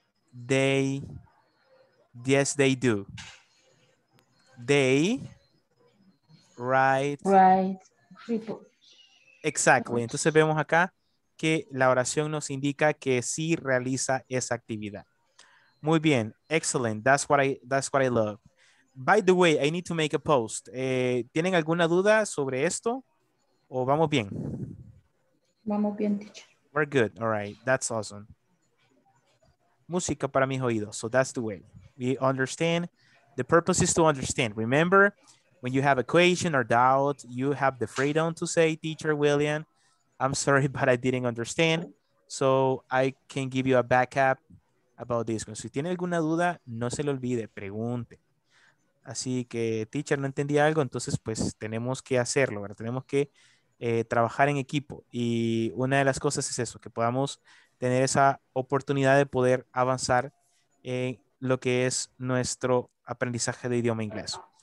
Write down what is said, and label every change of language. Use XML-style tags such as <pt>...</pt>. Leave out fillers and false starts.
<en>They, yes, they do. They write reports. Exactly.</en> <es>Entonces vemos acá que la oración nos indica que sí realiza esa actividad. Muy bien.</es> <en>Excellent. That's what I love. By the way, I need to make a post.</en> <es>¿Tienen alguna duda sobre esto? ¿O vamos bien? Vamos bien, teacher.</es> <en>We're good. All right. That's awesome.</en> <es>Música para mis oídos.</es> <en>So that's the way. We understand. The purpose is to understand. Remember, when you have a question or doubt, you have the freedom to say, teacher William, I'm sorry, but I didn't understand. So I can give you a backup about this.</en> <es>Si tiene alguna duda, no se le olvide, pregunte. Así que, teacher, no entendí algo. Entonces, pues, tenemos que hacerlo, ¿verdad? Tenemos que trabajar en equipo. Y una de las cosas es eso, que podamos tener esa oportunidad de poder avanzar en lo que es nuestro aprendizaje de idioma inglés.</es>